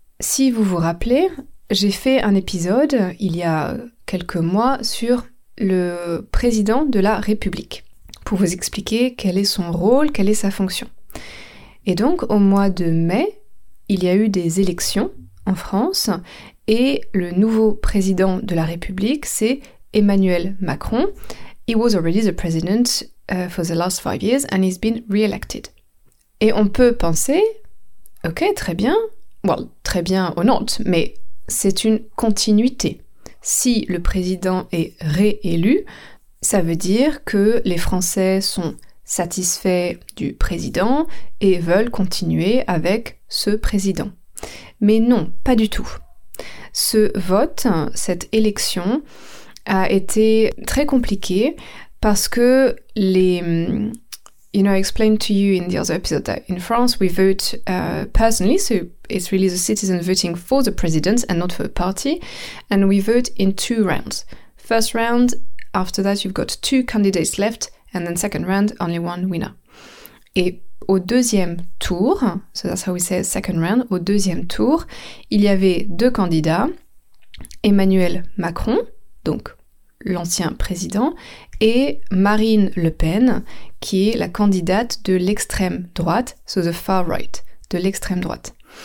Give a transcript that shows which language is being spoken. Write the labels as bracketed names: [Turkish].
[French] Si vous vous rappelez, j'ai fait un épisode il y a quelques mois sur le président de la République pour vous expliquer quel est son rôle, quelle est sa fonction. Et donc au mois de mai, il y a eu des élections en France. Et le nouveau président de la République, c'est Emmanuel Macron. [English] He was already the president for the last 5 years and he's been re-elected. [French] Et on peut penser, ok, très bien, [English] well, [French] très bien [English] or not, [French] mais c'est une continuité. Si le président est réélu, ça veut dire que les Français sont satisfaits du président et veulent continuer avec ce président. Mais non, pas du tout. Ce vote, cette élection, a été très compliquée parce que les... [English] You know, I explained to you in the other episode that in France, we vote personally, so it's really the citizen voting for the president and not for a party, and we vote in 2 rounds. First round, after that, you've got 2 candidates left, and then second round, only 1 winner. [French] Et au deuxième tour, [English] so that's how we say second round, [French] au deuxième tour, il y avait 2 candidats, Emmanuel Macron, donc l'ancien président, et Marine Le Pen, qui est la candidate de l'extrême droite, [English] so the far right, [French] de l'extrême droite.